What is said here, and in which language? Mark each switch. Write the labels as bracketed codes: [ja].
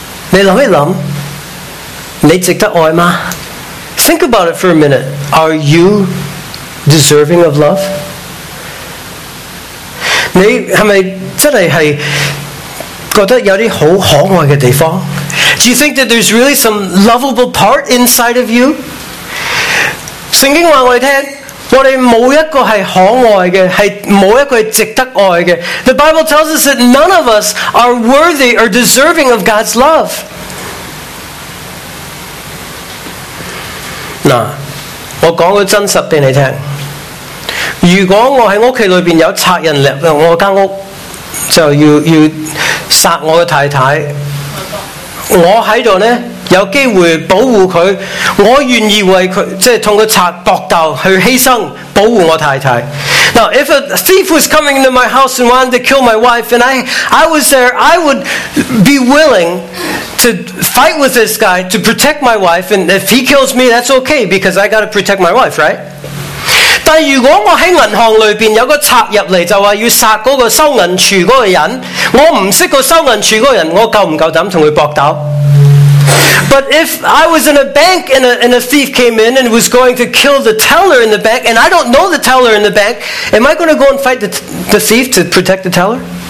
[zh] 你想一想，你值得爱吗？ [en] Think about it for a minute. Are you deserving of love? [zh] 你是不是真的觉得有些很可爱的地方？ [en] Do you think that there's really some lovable part inside of you? [zh] 圣经告诉我们，我们没有一个是可爱的，是没有一个是值得爱的。 [en] The Bible tells us that none of us are worthy or deserving of God's love. [zh] 那我讲个真实给你听，如果我在家里面有贼人入我的屋，就要杀我的太太，我在这里有机会保护她，我愿意为她，即是跟贼搏斗去牺牲保护我太太。 [en] Now if a thief was coming into my house and wanted to kill my wife and I was there, I would be willing to fight with this guy to protect my wife, and if he kills me, that's okay because I got to protect my wife, right? [zh] 但如果我在银行里面有个贼入来就说要杀那个收银处那个人，我不识个收银处那个人，我够不够胆跟他搏斗？ [en] But if I was in a bank and a thief came in and was going to kill the teller in the bank and I don't know the teller in the bank, am I going to go and fight the thief to protect the teller?